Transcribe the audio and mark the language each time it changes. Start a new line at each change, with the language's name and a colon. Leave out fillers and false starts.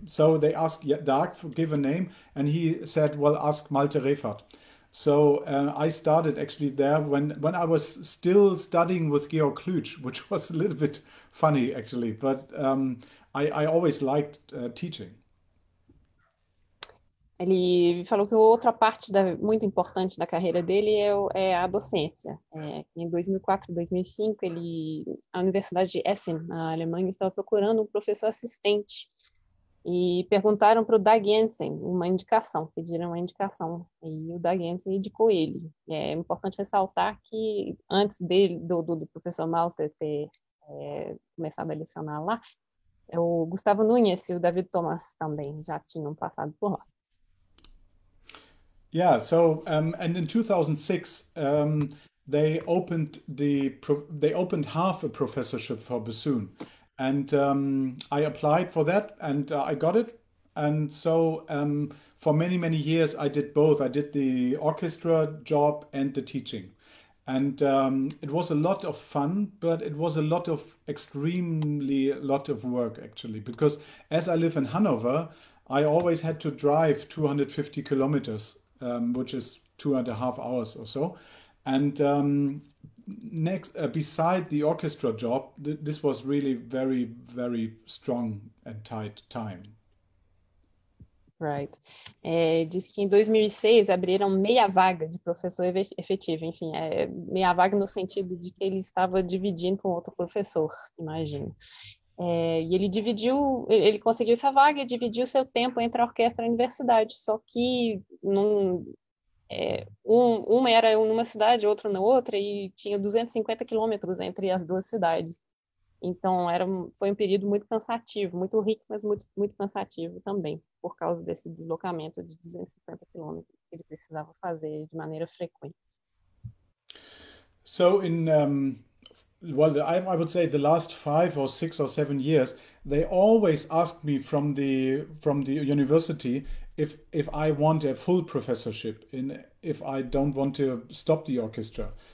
English: So they asked Dag to give a name. And he said, well, ask Malte Refardt. So I started actually there when I was still studying with Georg Klütsch, which was a little bit funny actually, but I always liked teaching.
Portuguese: Ele falou que outra parte muito importante da carreira dele é a docência. Em 2004, 2005, a Universidade de Essen, na Alemanha, estava procurando um professor assistente. E perguntaram para o Dag Jensen uma indicação, pediram uma indicação, e o Dag Jensen indicou ele. É importante ressaltar que antes dele, do professor Malte ter começado a lecionar lá, o Gustavo Nunes e o David Thomas também já tinham passado por lá.
English: Yeah, so, and in 2006, they opened half a professorship for bassoon. And I applied for that and I got it. And so for many, many years, I did both. I did the orchestra job and the teaching. And it was a lot of fun, but it was a lot of work actually, because as I live in Hanover, I always had to drive 250 kilometers, which is 2.5 hours or so. And beside the orchestra job, this was really very, very strong and tight time. Right.
Portuguese: Disse que em 2006 abriram meia vaga de professor efetivo. Enfim, meia vaga no sentido de que ele estava dividindo com outro professor, imagino. E ele conseguiu essa vaga e dividiu seu tempo entre a orquestra e a universidade, só que uma era numa cidade, outra na outra, e tinha 250 quilômetros entre as duas cidades. Então, foi um período muito cansativo, muito rico, mas muito, muito cansativo também, por causa desse deslocamento de 250 quilômetros que ele precisava fazer de maneira frequente.
English: So, I would say the last 5 or 6 or 7 years, they always asked me from the university if I want a full professorship, if I don't want to stop the orchestra.